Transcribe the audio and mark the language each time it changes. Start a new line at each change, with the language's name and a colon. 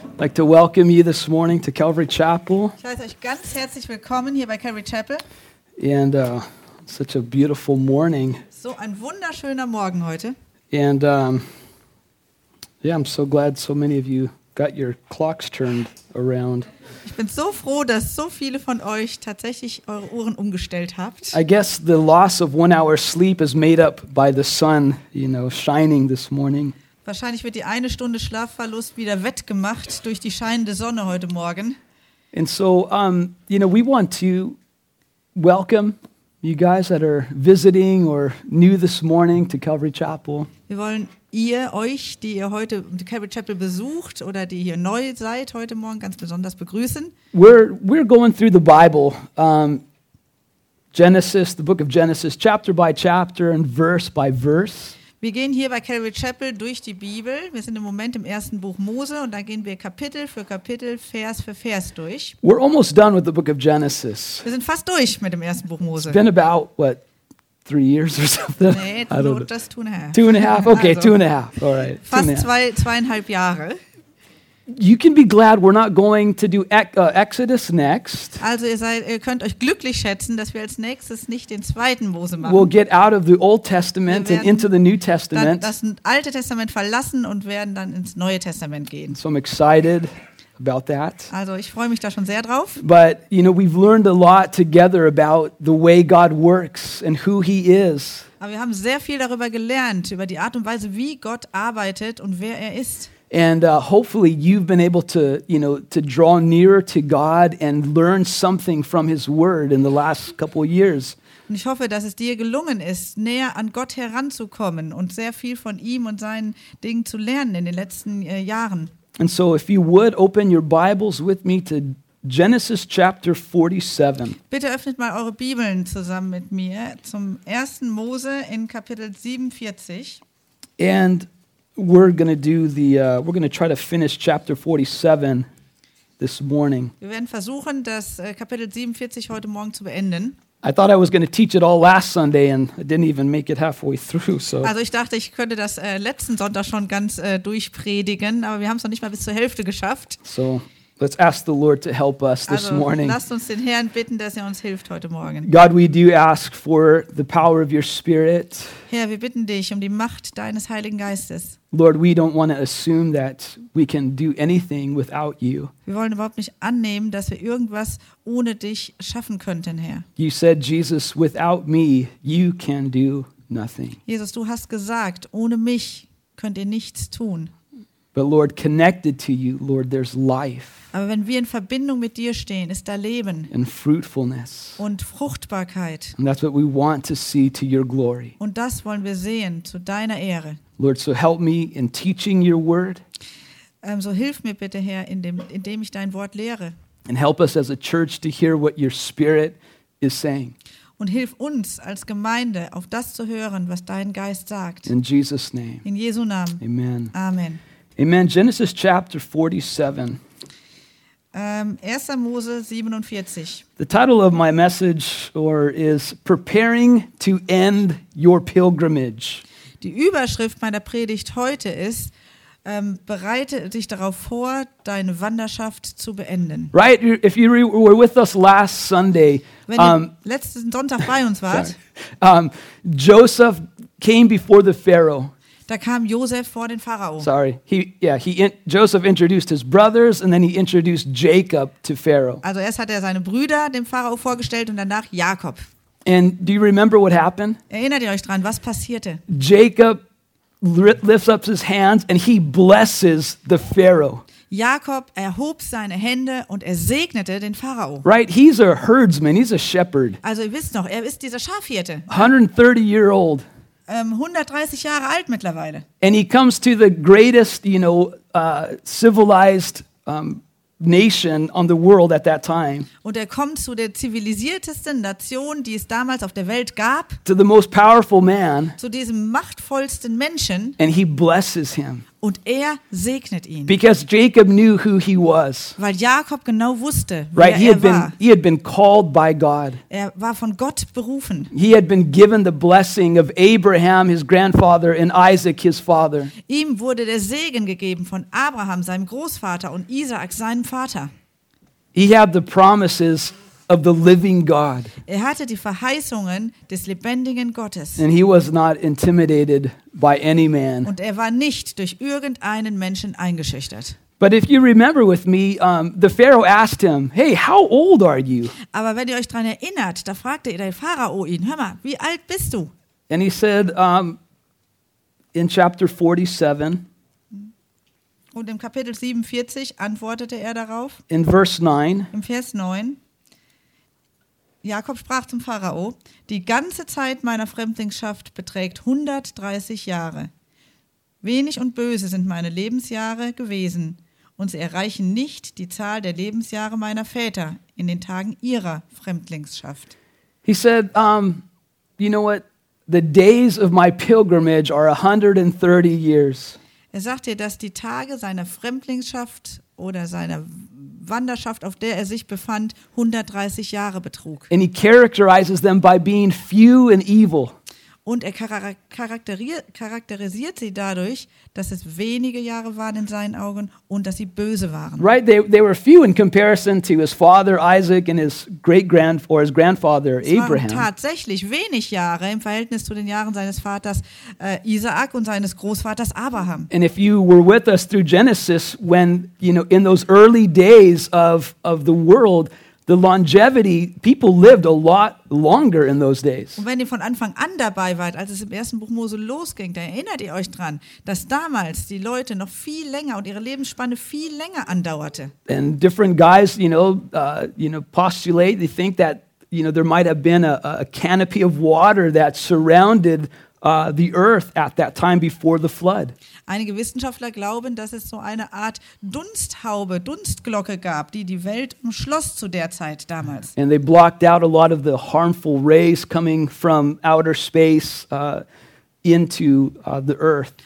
English: I'd like to welcome you this morning to Calvary Chapel.
German: Ich heiße euch ganz herzlich willkommen hier bei Calvary Chapel.
English: And such a beautiful morning.
German: So ein wunderschöner Morgen heute.
English: And I'm so glad so many of you got your clocks turned around.
German: Ich bin so froh, dass so viele von euch tatsächlich eure Uhren umgestellt habt.
English: I guess the loss of 1 hour sleep is made up by the sun, you know, shining this morning.
German: Wahrscheinlich wird die eine Stunde Schlafverlust wieder wettgemacht durch die scheinende Sonne heute Morgen.
English: And so, you know, we want to welcome you guys that are visiting or new this morning to Calvary Chapel.
German: Wir wollen ihr, euch, die ihr heute die Calvary Chapel besucht oder die hier neu seid heute Morgen, ganz besonders begrüßen.
English: We're going through the Bible, Genesis, the book of Genesis, chapter by chapter and verse by verse.
German: Wir gehen hier bei Calvary Chapel durch die Bibel. Wir sind im Moment im ersten Buch Mose und da gehen wir Kapitel für Kapitel, Vers für Vers durch.
English: We're almost done with the book of Genesis.
German: Wir sind fast durch mit dem ersten Buch Mose.
English: It's been about, what, 3 years or something? Nee, I don't know. Just 2.5. 2.5, okay, also, 2.5, all right.
German: Fast 2.5 Jahre.
English: You can be glad we're not going to do Exodus next.
German: Also ihr könnt euch glücklich schätzen, dass wir als nächstes nicht den zweiten Mose machen.
English: We'll get out of the Old Testament and into the New Testament.
German: Wir werden das Alte Testament verlassen und werden dann ins Neue Testament gehen.
English: So I'm excited about that.
German: Also ich freue mich da schon sehr drauf.
English: But you know, we've learned a lot together about the way God works and who he is.
German: Aber wir haben sehr viel darüber gelernt, über die Art und Weise, wie Gott arbeitet und wer er ist.
English: And hopefully you've been able to, you know, to draw nearer to God and learn something from his word in the last couple of years.
German: Und ich hoffe, dass es dir gelungen ist, näher an Gott heranzukommen und sehr viel von ihm und seinen Dingen zu lernen in den letzten Jahren.
English: And so if you would open your Bibles with me to Genesis chapter 47.
German: Bitte öffnet mal eure Bibeln zusammen mit mir zum 1. Mose in Kapitel 47.
English: And we're going to do the we're going to try to finish chapter 47 this morning.
German: Wir werden versuchen, das Kapitel 47 heute Morgen zu beenden.
English: I thought I was going to teach it all last Sunday and I didn't even make it halfway through, so.
German: Also ich dachte, ich könnte das letzten Sonntag schon ganz durchpredigen, aber wir haben es noch nicht mal bis zur Hälfte geschafft.
English: So, let's ask the Lord to help us this
German: also,
English: morning.
German: Lasst uns den Herrn bitten, dass er uns hilft heute Morgen.
English: God, we do ask for the power of your Spirit.
German: Herr, wir bitten dich um die Macht deines Heiligen Geistes.
English: Lord, we don't want to assume that we can do anything without you.
German: Wir wollen überhaupt nicht annehmen, dass wir irgendwas ohne dich schaffen könnten, Herr.
English: You said, Jesus, without me, you can do nothing.
German: Jesus, du hast gesagt, ohne mich könnt ihr nichts tun.
English: But Lord, connected to you, Lord, there's life.
German: Aber wenn wir in Verbindung mit dir stehen, ist da Leben.
English: And fruitfulness.
German: Und Fruchtbarkeit.
English: And that's what we want to see to your glory.
German: Und das wollen wir sehen zu deiner Ehre.
English: Lord, so help me in teaching your word.
German: So hilf mir bitte, Herr, indem ich dein Wort lehre.
English: And help us as a church to hear what your Spirit is saying.
German: Und hilf uns als Gemeinde, auf das zu hören, was dein Geist sagt.
English: In Jesus' name.
German: In Jesu Namen.
English: Amen.
German: Amen.
English: Amen. Genesis chapter 47.
German: 1. Mose 47.
English: The title of my message is Preparing to End Your Pilgrimage.
German: Die Überschrift meiner Predigt heute ist bereite dich darauf vor, deine Wanderschaft zu beenden.
English: Right, if you were with us last Sunday,
German: letzten Sonntag bei uns wart,
English: Joseph came before the Pharaoh.
German: Da kam Josef vor den Pharao.
English: Sorry. Joseph introduced his brothers and then he introduced Jacob to Pharaoh.
German: Also erst hat er seine Brüder dem Pharao vorgestellt und danach Jakob.
English: And do you remember what happened?
German: Erinnert ihr euch dran, was passierte?
English: Jacob lifts up his hands and he blesses the Pharaoh.
German: Jakob erhob seine Hände und er segnete den Pharao.
English: Right, he's a herdsman, he's a shepherd.
German: Also ihr wisst noch, er ist dieser Schafhirte.
English: 130-year-old.
German: 130 Jahre alt mittlerweile.
English: And he comes to the greatest, you know, civilized nation on the world at that time.
German: Und er kommt zu der zivilisiertesten Nation, die es damals auf der Welt gab.
English: To the most powerful man.
German: Zu diesem machtvollsten Menschen.
English: And he blesses him.
German: und er segnet ihn.
English: Because Jacob knew who he was.
German: Weil Jakob genau wusste, right, wer er war.
English: He had been called by God.
German: Er war von Gott berufen.
English: He had been given the blessing of Abraham, his grandfather, and Isaac, his father.
German: Ihm wurde der Segen gegeben von Abraham, seinem Großvater, und Isaak, seinem Vater.
English: He had the promises of the living God.
German: Er hatte die Verheißungen des lebendigen Gottes.
English: And he was not intimidated by any man.
German: Und er war nicht durch irgendeinen Menschen eingeschüchtert.
English: But if you remember with me, the Pharaoh asked him, "Hey, how old are you?"
German: Aber wenn ihr euch dran erinnert, da fragte der Pharao ihn, "Hör mal, wie alt bist du?"
English: And he said, in chapter 47,
German: und im Kapitel 47 antwortete er darauf.
English: In verse 9.
German: Im Vers 9. Jakob sprach zum Pharao, die ganze Zeit meiner Fremdlingschaft beträgt 130 Jahre. Wenig und böse sind meine Lebensjahre gewesen, und sie erreichen nicht die Zahl der Lebensjahre meiner Väter in den Tagen ihrer Fremdlingschaft.
English: He said, you know what, the days of my pilgrimage are 130 years.
German: Er sagte, dass die Tage seiner Fremdlingschaft oder seiner Wanderschaft, auf der er sich befand, 130 Jahre betrug.
English: And he characterizes them by being few and evil.
German: Und er charakterisiert sie dadurch, dass es wenige Jahre waren in seinen Augen und dass sie böse waren.
English: Right, they were few in comparison to his father Isaac and his great grand or his grandfather Abraham.
German: Es waren tatsächlich wenig Jahre im Verhältnis zu den Jahren seines Vaters Isaak und seines Großvaters Abraham.
English: And if you were with us through Genesis, when you know in those early days of the world. The longevity, people lived a lot longer in those days.
German: Und wenn ihr von Anfang an dabei wart, als es im ersten Buch Mose losging, da erinnert ihr euch dran, dass damals die Leute noch viel länger und ihre Lebensspanne viel länger andauerte.
English: And different guys, postulate, they think that, you know, there might have been a canopy of water that surrounded the earth at that time before the flood.
German: Einige Wissenschaftler glauben, dass es so eine Art Dunsthaube, Dunstglocke gab, die die Welt umschloss zu der Zeit damals.
English: And they blocked out a lot of the harmful rays coming from outer space into the earth.